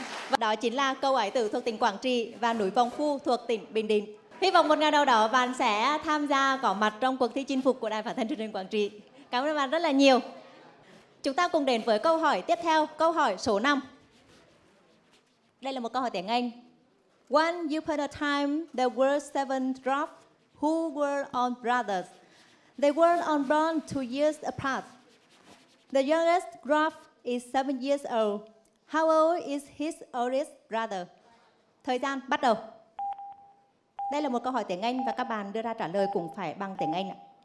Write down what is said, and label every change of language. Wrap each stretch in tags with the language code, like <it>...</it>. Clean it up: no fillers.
<vi>Và đó chính là câu Ải Tử thuộc tỉnh Quảng Trị và núi Vòng Phú thuộc tỉnh Bình Định. Hy vọng một ngày nào đó bạn sẽ tham gia có mặt trong cuộc thi chinh phục của Đài Phát thanh Truyền hình Quảng Trị. Cảm ơn bạn rất là nhiều. Chúng ta cùng đến với câu hỏi tiếp theo, câu hỏi số 5. Đây là một câu hỏi tiếng Anh.</vi> <en>Once upon a time, there were 7 dwarfs who were all brothers. They were all born 2 years apart. The youngest dwarf is 7 years old. How old is his oldest brother?</en> <vi>Thời gian bắt đầu. Đây là một câu hỏi tiếng Anh và các bạn đưa ra trả lời cũng phải bằng tiếng Anh ạ.</vi>